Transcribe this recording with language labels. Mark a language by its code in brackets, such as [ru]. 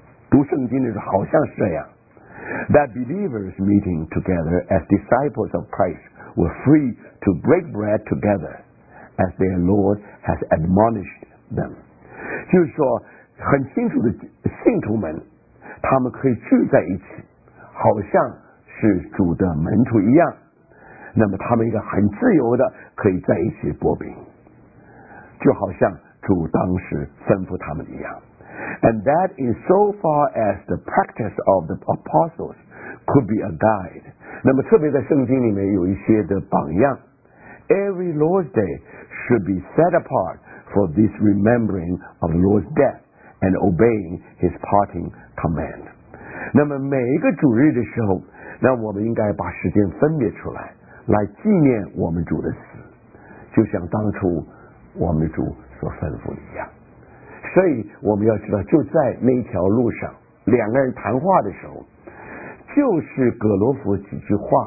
[zh] 读圣经的时候好像是这样， [en] That believers meeting together as disciples of Christ were free to break bread together as their Lord has admonished them， [zh] 就是说很清楚的，信徒们他们可以聚在一起，好像是主的门徒一样，那么他们一个很自由的可以在一起擘饼，就好像主当时吩咐他们一样。 [en] And that in so far as the practice of the apostles could be a guide， [zh] 那么特别在圣经里面有一些的榜样， [en] Every Lord's Day should be set apart for this remembering of the Lord's deathAnd obeying his parting command。 [zh] 那么每一个主日的时候，那我们应该把时间分别出来，来纪念我们主的死，就像当初我们主所吩咐一样。所以我们要知道，就在那条路上两个人谈话的时候，就是格罗夫几句话